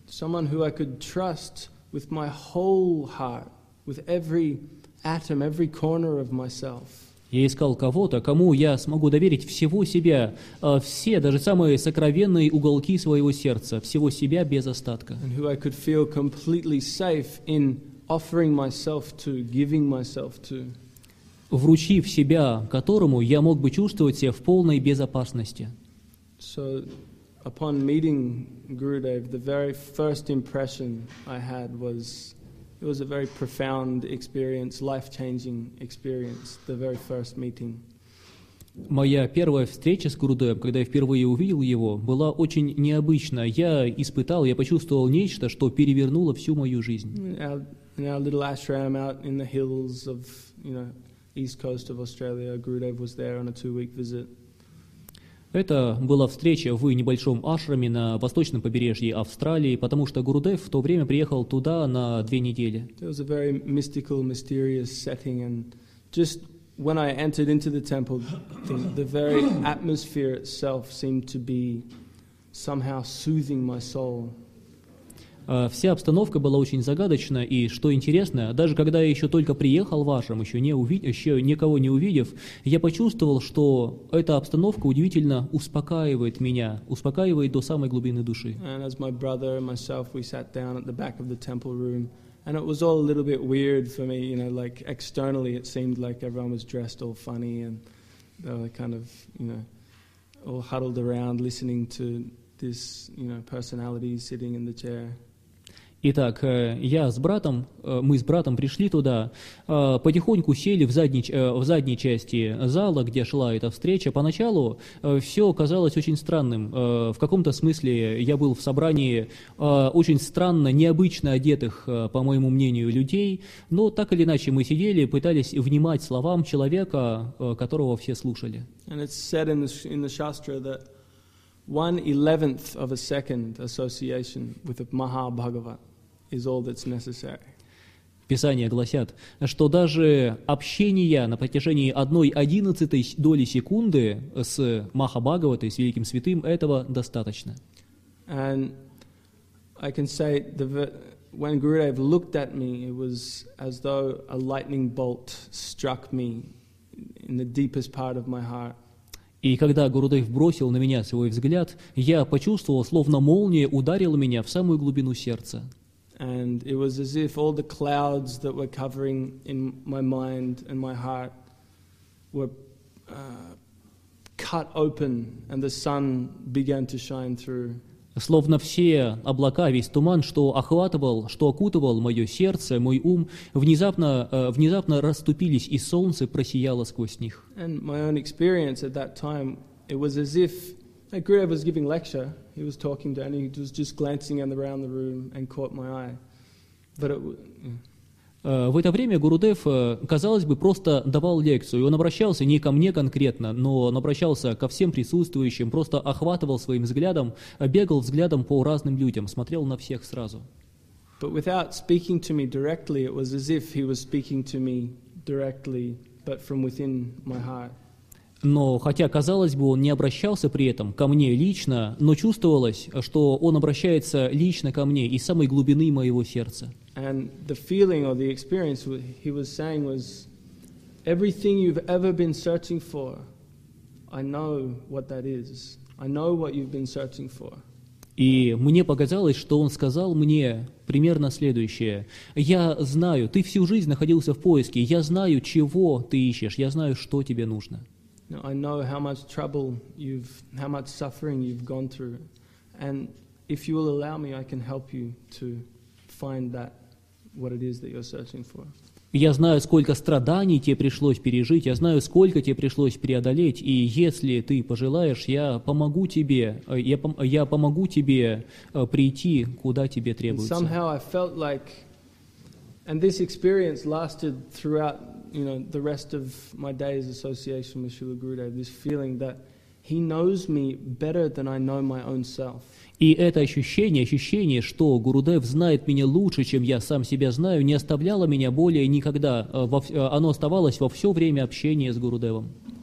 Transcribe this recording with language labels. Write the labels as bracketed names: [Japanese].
[English] Someone who I could trust with my whole heart, with every atom, every corner of myself. [Russian] Я искал кого-то, кому я смогу доверить всего себя, все, даже самые сокровенные уголки своего сердца, всего себя без остатка. [English] And who I could feel completely safe in offering myself to, giving myself to. [Russian] Вручив себя, которому я мог бы чувствовать себя в полной безопасности. [English] So, upon meeting Gurudev, the very first impression I had was... It was a very profound experience, life-changing experience, the very first meeting. [Russian] Моя первая встреча с Гурудевом, когда я впервые увидел его, была очень необычна. Я испытал, я почувствовал нечто, что перевернуло всю мою жизнь. [English] In our little ashram out in the hills of, you know, east coast of Australia, Gurudev was there on a two-week visit. [Russian] Это была встреча в небольшом ашраме на восточном побережье Австралии, потому что Гурудев в то время приехал туда на две недели. [English] It was a very mystical, mysterious setting, and just when I entered into the temple, the very atmosphere itself seemed to be somehow soothing my soul. [Russian] Вся обстановка была очень загадочна, и что интересно, даже когда я еще только приехал в ашрам, еще никого не увидев, я почувствовал, что эта обстановка удивительно успокаивает меня, успокаивает до самой глубины души. [English] And as my brother and myself, we sat down at the back of the temple room, and it was all a little bit weird for me, you know, like externally it seemed like everyone was dressed all funny, and they were kind of, you know, all huddled around listening to this, you know, personality sitting in the chair. [Russian] Итак, я с братом, мы с братом пришли туда, потихоньку сели в задней части зала, где шла эта встреча. Поначалу все казалось очень странным. В каком-то смысле я был в собрании очень странно, необычно одетых, по моему мнению, людей. Но так или иначе мы сидели, пытались внимать словам человека, которого все слушали. [English] And it's said in the Shastra that 1/11 of a second association with a Mahabhagavat is all that's necessary. [Russian] Писания гласят, что даже общение на протяжении 1/11 доли секунды с Махабхагаватой, с великим святым, этого достаточно. [English] And I can say the when Gurudev looked at me, it was as though a lightning bolt struck me in the deepest part of my heart. [Russian] И когда Гурудев бросил на меня свой взгляд, я почувствовал, словно молния ударила меня в самую глубину сердца. [English] And it was as if all the clouds that were covering in my mind and my heart were cut open, and the sun began to shine through. [Russian] Словно все облака, весь туман, что охватывал, что окутывал мое сердце, мой ум, внезапно расступились, и солнце просияло сквозь них. [English] And my own experience at that time, it was as if Gurudev was giving lecture. He was talking to and he was just glancing around the room and caught my eye. But it [Russian] В это время Гурудев, казалось бы, просто давал лекцию. Он обращался не ко мне конкретно, но он обращался ко всем присутствующим, просто охватывал своим взглядом, бегал взглядом по разным людям, смотрел на всех сразу. [English] But without speaking to me directly, it was as if he was speaking to me directly, but from within my heart. [Russian] Но хотя, казалось бы, он не обращался при этом ко мне лично, но чувствовалось, что он обращается лично ко мне из самой глубины моего сердца. [English] And the feeling or the experience he was saying was, everything you've ever been searching for, I know what that is. I know what you've been searching for. [Russian] И мне показалось, что он сказал мне примерно следующее. Я знаю, ты всю жизнь находился в поиске. Я знаю, чего ты ищешь. Я знаю, что тебе нужно. [English] I know how much trouble you've, how much suffering you've gone through. And if you will allow me, I can help you to find that, what it is that you're searching for. [Russian] Я знаю, сколько страданий тебе пришлось пережить, я знаю, сколько тебе пришлось преодолеть, и если ты пожелаешь, я помогу тебе прийти, куда тебе требуется. [English] And somehow I felt like, and this experience lasted throughout you know, the rest of my day's association with Srila Gurudev, this feeling that he knows me better than I know my own self. [Russian] И это ощущение, что Гурудев знает меня лучше, чем я сам себя знаю, не оставляло меня более никогда. Оно оставалось во все время общения с Гурудевом.